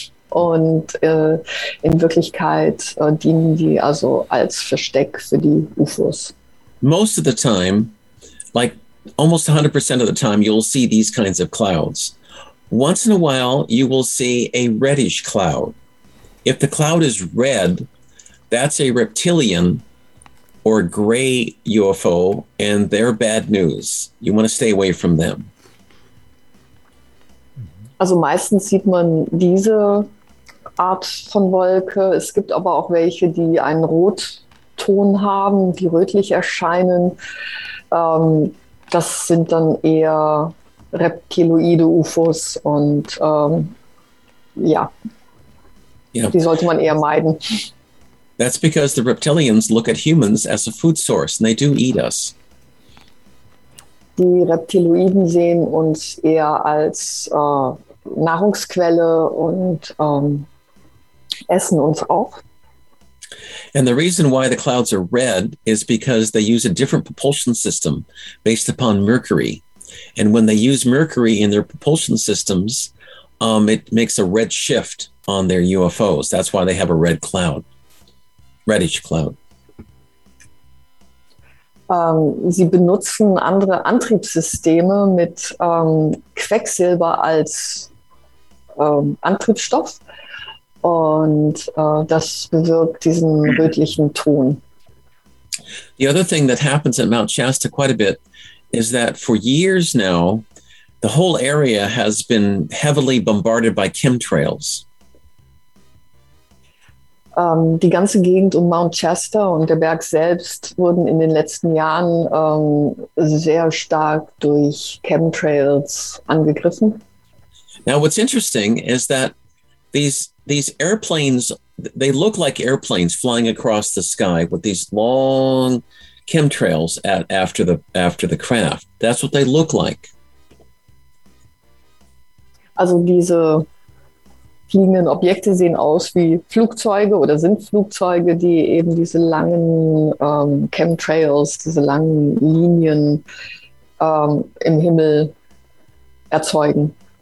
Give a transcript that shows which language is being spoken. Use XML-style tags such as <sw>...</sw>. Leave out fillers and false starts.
<de>Und in Wirklichkeit dienen die also als Versteck für die UFOs.</de> <en>Most of the time, like almost 100% of the time, you'll see these kinds of clouds. Once in a while, you will see a reddish cloud. If the cloud is red, that's a reptilian or gray UFO, and they're bad news. You want to stay away from them.</en> <de>Also meistens sieht man diese Art von Wolke. Es gibt aber auch welche, die einen Rotton haben, die rötlich erscheinen. Das sind dann eher reptiloide UFOs und die sollte man eher meiden.</de> <en>That's because the reptilians look at humans as a food source and they do eat us.</en> <de>Die Reptiloiden sehen uns eher als Nahrungsquelle und essen uns auch.</de> <en>And the reason why the clouds are red is because they use a different propulsion system based upon mercury. And when they use mercury in their propulsion systems, it makes a red shift on their UFOs. That's why they have a red cloud. Reddish cloud.</en> <de>Sie benutzen andere Antriebssysteme mit Quecksilber als Antriebsstoff. Und das bewirkt diesen rötlichen Ton.</de> <en>The other thing that happens at Mount Shasta quite a bit is that for years now, the whole area has been heavily bombarded by chemtrails.</en> <de>Die ganze Gegend um Mount Shasta und der Berg selbst wurden in den letzten Jahren sehr stark durch Chemtrails angegriffen.</de> <en>Now, what's interesting is that these airplanes, they look like airplanes flying across the sky with these long chemtrails after the craft. That's what they look like.</en> <de>Also diese fliegenden Objekte sehen aus wie Flugzeuge oder sind Flugzeuge, die eben diese langen Chemtrails, diese langen Linien im Himmel erzeugen.</de>